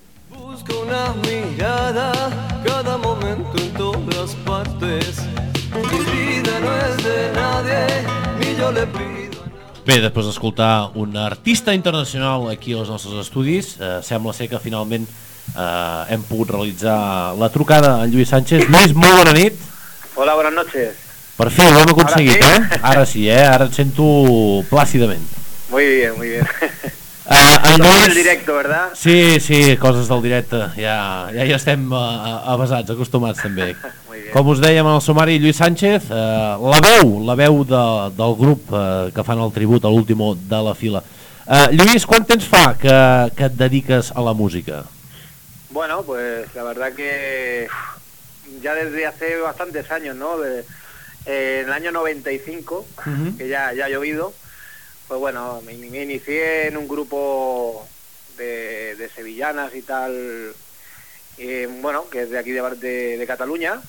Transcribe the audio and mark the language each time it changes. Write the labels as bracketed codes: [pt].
[es] Busco una mirada cada momento en todas partes. Mi vida no es de nadie, ni yo le pido. [ca] Bé, després d'escoltar un artista internacional aquí als nostres estudis, sembla ser que finalment hem pogut realitzar la trucada a Lluís Sánchez. Lluís, molt bona nit. [es] Hola, buenas noches. [ca] Per fi, ho hem aconseguit, ara sí. Ara sí, ara et sento plàcidament. [es] Muy bien, muy bien. [ca] Coses del directe, ¿verdad? Sí, sí, coses del directe, ja estem avasats, acostumats també. Com us dèiem en el sumari, Lluís Sánchez, la veu del grup que fan el tribut a l'Último de la Fila. Lluís, quant temps fa que et dediques a la música? [es] Bueno, pues la verdad que ya desde hace bastantes años, ¿no? En el año 95, uh-huh. que ya ha llovido. Pues bueno, me inicié en un grupo de sevillanas y tal, bueno, que es de aquí de Cataluña,